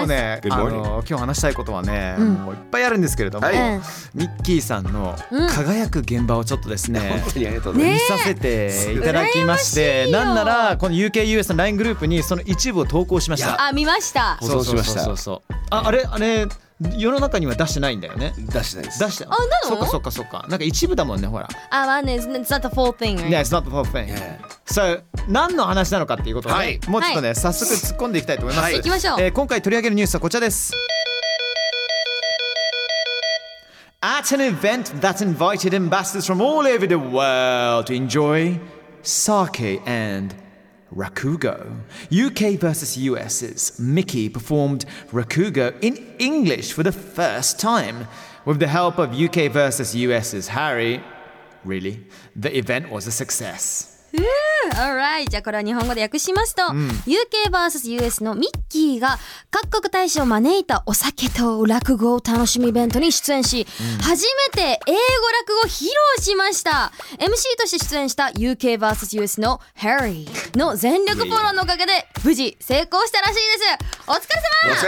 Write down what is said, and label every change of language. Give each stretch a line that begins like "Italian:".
Japanese: 日ね、今日話したいことはね、もういっぱいあるんですけれども、ミッキーさんの輝く現場をちょっとですね、見させていただきまして、なんならこの UKUS の LINE グループにその一部を投稿しました。あ、見ました、保存しました。あれ世の中には出してないんだよね。出してないです。出してあ、なの？そっかそっかそっか。なんか一部だもんね、ほら。あ、まあね、
English: it's not the full thing. Yeah, it's not the full thing.
Japanese: So, 何の話なのかっていうことをね、もうちょっとね、早速突っ込んでいきたいと思います。はい、行きましょう。今回取り上げるニュースはこちらです。
English: At an event that invited ambassadors from all over the world to enjoy sake and Rakugo. UK vs US's Mickey performed Rakugo in English for the first time. With the help of UK vs US's Harry, really, the event was a success.
Japanese: Alright, じゃあこれは日本語で訳しますと、UK vs US のミッキーが各国大使を招いたお酒と落語を楽しむイベントに出演し、初めて英語落語を披露しました。 MC として出演した UK vs US の Harry の全力フォローのおかげで無事成功したらしいです。